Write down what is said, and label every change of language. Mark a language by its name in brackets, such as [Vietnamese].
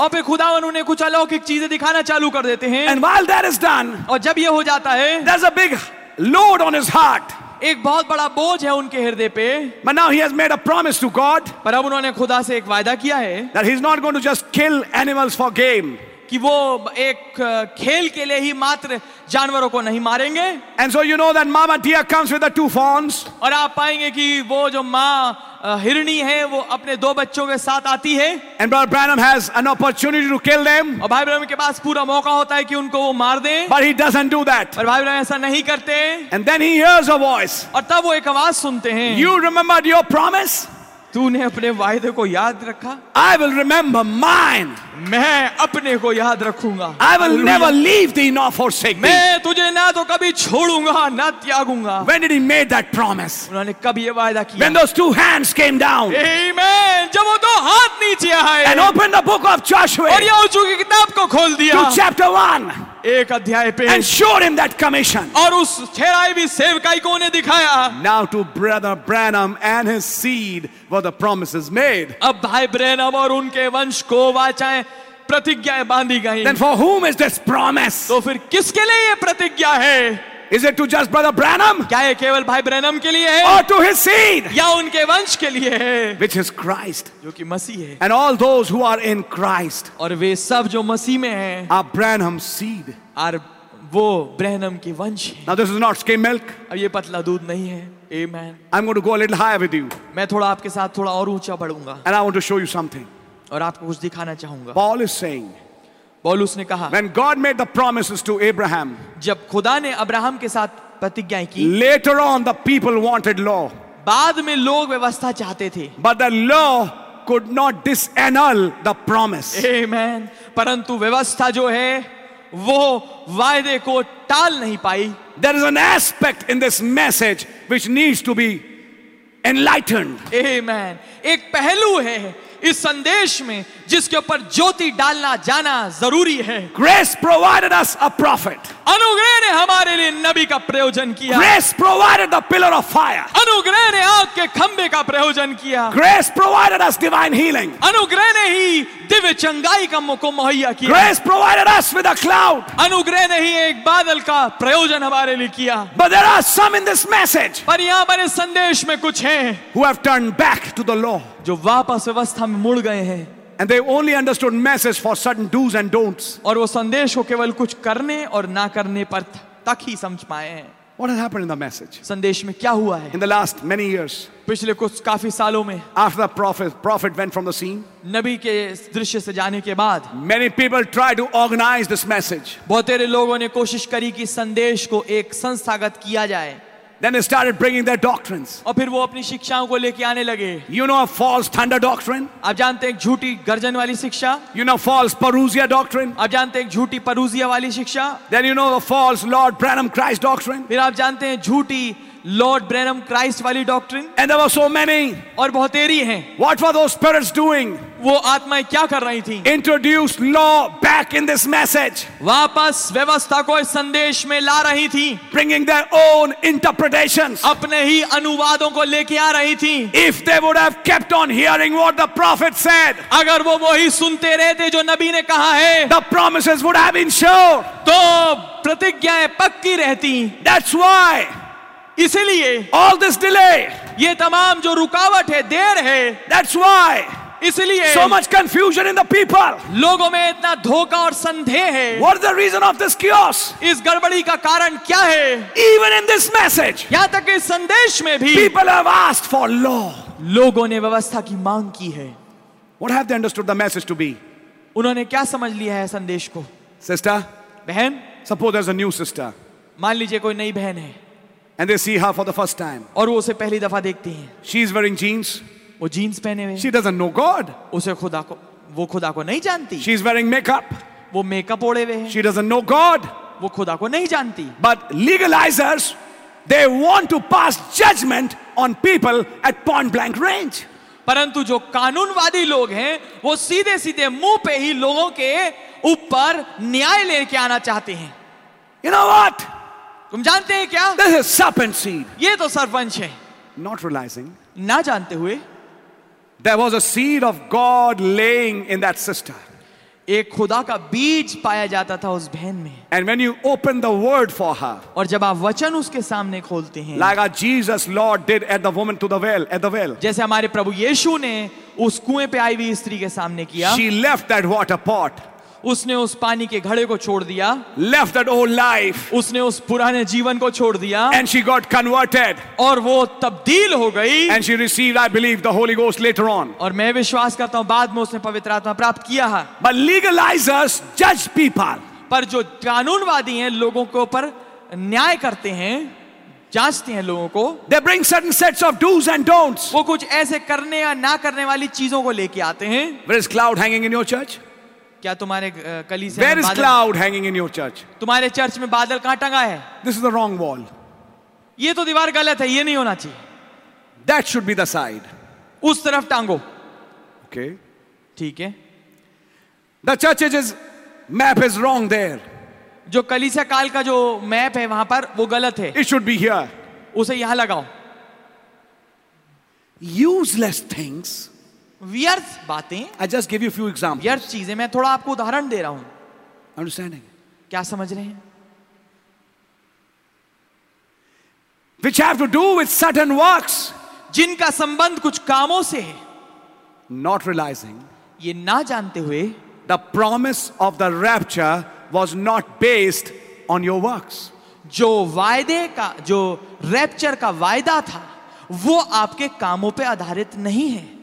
[Hindi] और फिर खुदा उन्हें कुछ अलौकिक चीजें दिखाना चालू कर देते हैं. [English] And while that is done, [Hindi] और जब ये हो जाता है, [English] there's a big load on his heart. [Hindi] एक बहुत बड़ा बोझ है उनके हृदय पे. [English] But now he has made a promise to God. [Hindi] पर अब उन्होंने खुदा से एक वायदा किया है. [English] That he's not going to just kill animals for game. [Hindi] कि वो एक खेल के लिए ही मात्र जानवरों को नहीं मारेंगे [English] And so you know that Mama Deer comes with the two fawns. [Hindi] और आप पाएंगे कि वो जो माँ हिरणी है वो अपने दो बच्चों के साथ आती है [English] and Brother Branham has an opportunity to kill them [Hindi] और भाई ब्रैनम के पास पूरा मौका होता है कि उनको वो मार दे [English] but he doesn't do that [Hindi] पर भाई ब्रैनम ऐसा नहीं करते [English] and then he hears a voice [Hindi] और तब वो एक आवाज सुनते हैं [English] you remembered your promise [Hindi] तूने अपने वायदे को याद रखा [English] I will remember mine [Hindi] मैं अपने को याद रखूंगा [English] I will never leave thee nor forsake thee [Hindi] मैं तुझे ना तो कभी छोड़ूंगा ना त्यागूंगा [English] When did he made that promise [Hindi] उन्होंने कब ये वायदा किया [English] When those two hands came down [Hindi] Amen जब वो दो हाथ नीचे आए [English] And opened the book of Joshua [Hindi] और यहोशू की किताब को खोल दिया [English] To chapter 1 [Hindi] एक अध्याय पे [English] And showed him that commission [Hindi] और उस छेड़ाई भी सेवकाई को उन्हें दिखाया [English] Now to brother Branham and his seed were the promises made [Hindi] अब भाई ब्रैनम और उनके वंश को वाचाएं प्रतिज्ञाएं बांधी गईं [English] Then for whom is this promise [Hindi] तो फिर किसके लिए ये प्रतिज्ञा है [English] Is it to just brother Branham [Hindi] क्या ये केवल भाई ब्रैनम के लिए है [English] Or to his seed [Hindi] या उनके वंश के लिए है [English] Which is Christ [Hindi] जो कि मसीह है [English] And all those who are in Christ [Hindi] और वे सब जो मसीह में हैं [English] are Branham's seed [Hindi] और वो ब्रैनम के वंश हैं [English] Now this is not skim milk [Hindi] अब ये पतला दूध नहीं है Amen [English] I'm going to go a little higher with you [Hindi] मैं थोड़ा आपके साथ थोड़ा और ऊंचा बढ़ूंगा [English] And I want to show you something [Hindi] और आपको कुछ दिखाना चाहूंगा [English] Paul is saying, [Hindi] Paulus ने कहा, [English] When God made the promises to Abraham, [Hindi] जब खुदा ने अब्राहम के साथ प्रतिज्ञाएं की, [English] later on the people wanted law, [Hindi] बाद में लोग व्यवस्था चाहते थे, [English] but the law could not disannul the promise. Amen. [Hindi] परंतु व्यवस्था जो है, वो वायदे को टाल नहीं पाई. [English] There is an aspect in this message which needs to be enlightened. [Hindi] Amen. एक पहलू है. इस संदेश में जिसके ऊपर ज्योति डालना जाना जरूरी है [English] Grace provided us a prophet. [Hindi] अनुग्रह ने हमारे लिए नबी का प्रयोजन किया [English] Grace provided the pillar of fire. [Hindi] अनुग्रह ने आग के खंबे का प्रयोजन किया [English] Grace provided us divine healing. [Hindi] अनुग्रह ने ही दिव्य चंगाई का मुको मुहैया किया [English] Grace provided us with a cloud. [Hindi] अनुग्रह ने ही एक बादल का प्रयोजन हमारे लिए किया [English] But there are some in this message [Hindi] पर यहाँ पर इस संदेश में कुछ हैं [English] who have turned back to the law. [Hindi] जो वापस व्यवस्था में मुड़ गए हैं [English] And they only understood message for certain do's and don'ts. [Hindi] और वो संदेश को केवल कुछ करने और ना करने पर तक ही समझ पाए हैं. [English] What has happened in the message? [Hindi] संदेश में क्या हुआ है? [English] In the last many years. [Hindi] पिछले कुछ काफी सालों में. [English] After the prophet went from the scene. [Hindi] नबी के दृश्य से जाने के बाद. [English] Many people tried to organize this message. [Hindi] बहुत सारे लोगों ने कोशिश करी कि संदेश को एक संस्थागत किया जाए. [English] Then they started bringing their doctrines. [Hindi] और फिर वो अपनी शिक्षाओं को लेके आने लगे. [English] You know a false thunder doctrine? [Hindi] आप जानते हैं झूठी गर्जन वाली शिक्षा? [English] You know false parousia doctrine? [Hindi] आप जानते हैं झूठी परूजिया वाली शिक्षा? [English] Then you know a false Lord Branham Christ doctrine? [Hindi] फिर आप जानते हैं झूठी Lord Branham Christ वाली doctrine? [English] And there were so many. [Hindi] और बहुतेरी हैं. [English] What were those spirits doing? [Hindi] वो आत्माएं क्या कर रही थीं? [English] Introduce law back in this message. [Hindi] वापस व्यवस्था को इस संदेश में ला रही थीं. [English] Bringing their own interpretations. [Hindi] अपने ही अनुवादों को लेके आ रही थीं. [English] If they would have kept on hearing what the prophet said. [Hindi] अगर वो वही सुनते रहते जो नबी ने कहा है. [English] The promises would have been sure. [Hindi] तो प्रतिज्ञाएं पक्की रहतीं. [English] That's why. [Hindi] इसलिए. [English] All this delay. [Hindi] ये तमाम जो रुकावट है, देर है. [English] That's why. [Hindi] इसलिए [English] so much confusion in the people [Hindi] लोगों में इतना धोखा और संदेह है [English] what is the reason of this chaos [Hindi] इस गड़बड़ी का कारण क्या है [English] even in this message [Hindi] यहां तक इस संदेश में भी [English] people have asked for law [Hindi] लोगों ने व्यवस्था की मांग की है [English] what have they understood the message to be [Hindi] उन्होंने क्या समझ लिया है संदेश को [English] sister [Hindi] बहन [English] suppose there's a new sister [Hindi] मान लीजिए कोई नई बहन है [English] and they see her for the first time [Hindi] और वो उसे पहली दफा देखती हैं [English] she is wearing jeans [Hindi] वो जीन्स पहने हुए [English] She doesn't know God. [Hindi] उसे खुदा को वो खुदा को नहीं जानती [English] She is wearing makeup. [Hindi] वो मेकअप ओढ़े हुए हैं [English] She doesn't know God. [Hindi] वो खुदा को नहीं जानती [English] But legalizers, they want to pass judgment on people at point blank range. [Hindi] परंतु जो कानूनवादी लोग हैं वो सीधे सीधे मुंह पे ही लोगों के ऊपर न्याय लेके आना चाहते हैं [English] You know what? [Hindi] तुम जानते हैं क्या [English] This is serpent seed. [Hindi] ये तो सरपंच है [English] Not realizing. [Hindi] ना जानते हुए [English] There was a seed of God laying in that sister. [Hindi] एक खुदा का बीज पाया जाता था उस बहन में. [English] And when you open the word for her, [Hindi] और जब आप वचन उसके सामने खोलते हैं, [English] like Jesus Lord did at the woman to the well, at the well. [Hindi] जैसे हमारे प्रभु यीशु ने उस कुएं पे आई हुई स्त्री के सामने किया. [English] She left that water pot. [Hindi] उसने उस पानी के घड़े को छोड़ दिया, [English] left that old life, [Hindi] उसने उस पुराने जीवन को छोड़ दिया, [English] and she got converted, [Hindi] और वो तब्दील हो गई, [English] and she received, I believe, the Holy Ghost later on, [Hindi] और मैं विश्वास करता हूँ बाद में उसने पवित्र आत्मा प्राप्त किया है, [English] but legalizers judge people, [Hindi] पर जो कानूनवादी हैं लोगों के ऊपर न्याय करते हैं, जांचते हैं लोगों को, [English] they bring certain sets of do's and don'ts, [Hindi] वो कुछ ऐसे करने या ना करने वाली चीजों को लेके आते हैं, [English] where is cloud hanging in your church? [Hindi] क्या तुम्हारे कलीसिया में बादल? [English] Where is cloud hanging in your church? [Hindi] तुम्हारे चर्च में बादल कहाँ टंगा है? [English] This is the wrong wall. [Hindi] ये तो दीवार गलत है, ये नहीं होना चाहिए. [English] That should be the side. [Hindi] उस तरफ टांगो. [English] Okay. [Hindi] ठीक है. [English] The church's map is wrong there. [Hindi] जो कलीसिया काल का जो मैप है वहां पर वो गलत है. [English] It should be here. [Hindi] उसे यहां लगाओ. [English] Useless things. [Hindi] व्यर्थ बातें. [English] I just give you a few examples. [Hindi] व्यर्थ चीजें. मैं थोड़ा आपको उदाहरण दे रहा हूं. [English] Understanding? [Hindi] क्या समझ रहे हैं? [English] Which have to do with certain works. [Hindi] जिनका संबंध कुछ कामों से है. [English] Not realizing. [Hindi] ये ना जानते हुए. [English] The promise of the rapture was not based on your works. [Hindi] जो वायदे का, जो रैप्चर का वायदा था, वो आपके कामों पे आधारित नहीं है.